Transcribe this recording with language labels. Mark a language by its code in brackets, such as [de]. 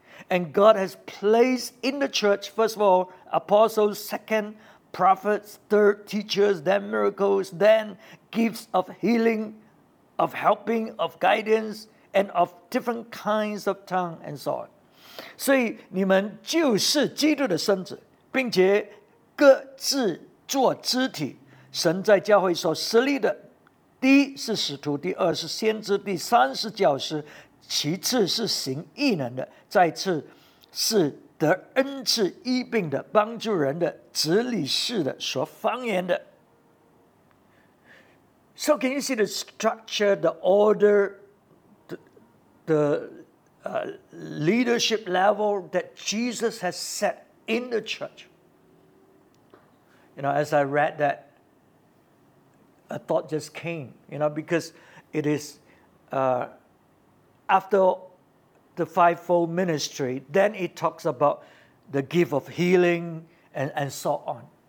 [en] And God has placed in the church, first of all, apostles, second, prophets, third, teachers, then miracles, then gifts of healing, of helping, of guidance, and of different kinds of tongue, and so on. [zh] 所以你们就是基督的身子，并且各自做肢体，神在教会所设立的第一是使徒，第二是先知，第三是教师，其次是行异能的，再次是得恩赐医病的，帮助人的，治理事的，说方言的。 [en] So can you see the structure, the order, the leadership level that Jesus has set in the church? You know, as I read that, a thought just came, you know, because it is after the fivefold ministry, then it talks about the gift of healing and so on.